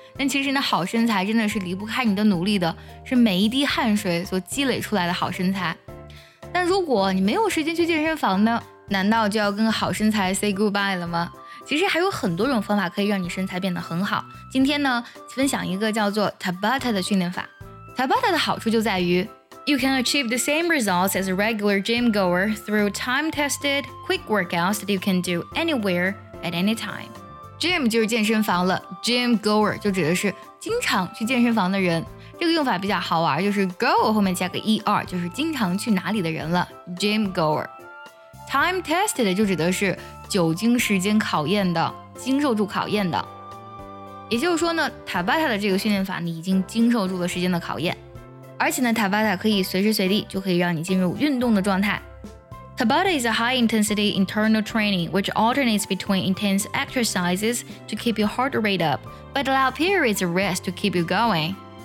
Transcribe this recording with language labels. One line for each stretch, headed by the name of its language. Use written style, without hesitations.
Chinese: 但其实那好身材真的是离不开你的努力的，是每一滴汗水所积累出来的好身材。但如果你没有时间去健身房呢，难道就要跟好身材
English: say goodbye
Chinese: 了吗？其实还有很多种方法可以让你身材变得很好。今天呢，分享一个叫做 Tabata 的训练法。
English: Tabata
Chinese: 的好处就在于
English: You can achieve the same results as a regular gym goer through time-tested, quick workouts that you can do anywhere at any time.
Chinese: Gym 就是健身房了 ，gym goer 就指的是经常去健身房的人。这个用法比较好玩，就是 go 后面加个 er， 就是经常去哪里的人了 ，gym goer。 Time-tested 就指的是久经时间考验的，经受住考验的。也就是说呢，塔巴塔的这个训练法，你已经经受住了时间的考验。而且呢 Tabata 可以随时随地就可以让你进入运动的状态。
English: Tabata is a high intensity internal training which alternates between intense exercises to keep your heart rate up but allow periods of rest to keep you going.